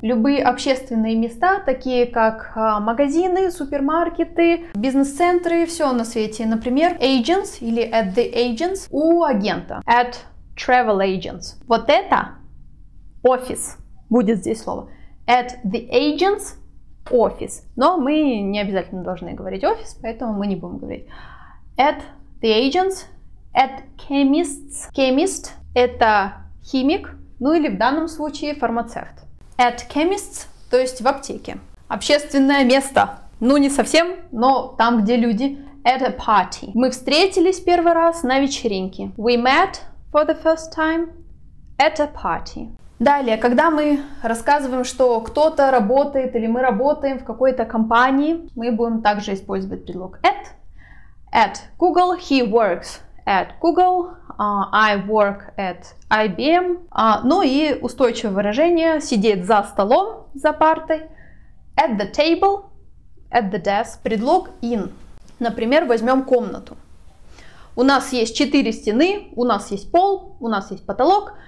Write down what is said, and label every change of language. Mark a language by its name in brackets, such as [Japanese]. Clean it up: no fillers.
[Russian] Любые общественные места, такие как магазины, супермаркеты, бизнес-центры, все на свете. Например, agents или [English] at the agents [Russian] у агента. [English] At travel agents. [Russian] Вот это office будет здесь слово. [English] At the agents office. [Russian] Но мы не обязательно должны говорить office, поэтому мы не будем говорить. [English] At the agents, at chemists. [Russian] Chemist это химик. Ну или в данном случае фармацевт. [English] At chemists, [Russian] то есть в аптеке. Общественное место. Ну не совсем, но там, где люди. [English] At a party. [Russian] Мы встретились первый раз на вечеринке. [English] We met for the first time at a party. [Russian] Далее, когда мы рассказываем, что кто-то работает или мы работаем в какой-то компании, мы будем также использовать предлог at. [English] At Google, he works at Google. I work at IBM. [Russian] Ну и устойчивое выражение сидеть за столом, за партой. [English] At the table, at the desk. [Russian] Предлог [English] in. [Russian] Например, возьмем комнату. У нас есть 4 стены, у нас есть пол, у нас есть потолок.